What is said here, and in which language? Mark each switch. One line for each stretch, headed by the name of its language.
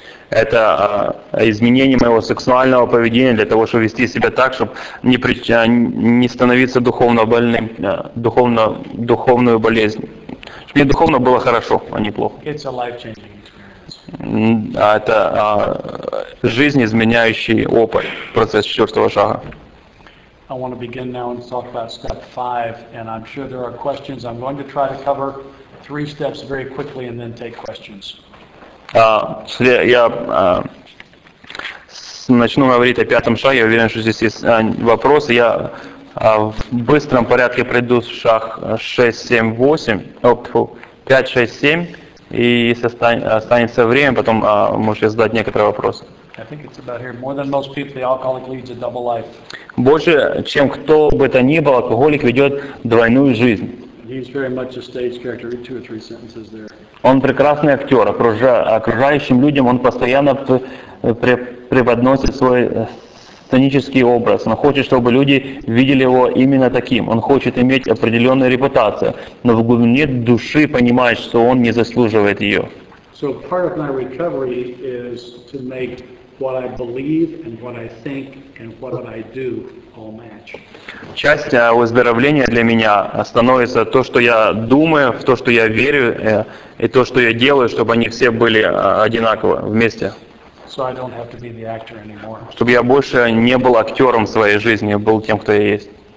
Russian: Это изменение моего сексуального поведения для того, чтобы вести себя так, чтобы не становиться духовно больным, духовную болезнь. Мне духовно было хорошо, а не плохо.
English: It's a life-changing experience.
Russian: Это жизнеизменяющий опыт, процесс четвертого шага.
English: I want to begin now and talk about step five, and I'm sure there are questions. I'm going to try to cover three steps very quickly and then take questions.
Russian: Я начну говорить о пятом шаге. Я уверен, что здесь есть вопросы. Я в быстром порядке пройду в шаг 5-6-7, и если останется время, потом можете задать некоторые вопросы.
English: I think it's about here. More than most people, the alcoholic leads a double life.
Russian: Больше, чем кто бы то ни был, алкоголик ведет двойную жизнь.
English: He's very much a stage character. Read two or three sentences there.
Russian: Он прекрасный актер. Окружающим людям он постоянно преподносит свой сценический образ. Он хочет, чтобы люди видели его именно таким. Он хочет иметь определенную репутацию, но в глубине души понимает, что он не заслуживает ее.
English: So part of my recovery is to make what I believe and what I think and what I do all match.
Russian: Часть выздоровления для меня становится то, что я думаю, в то, что я верю, и то, что я делаю, чтобы они все были одинаково вместе.
English: So I don't have to be the actor anymore.
Russian: Чтобы я больше не был актером в своей жизни, а был тем, кто я есть.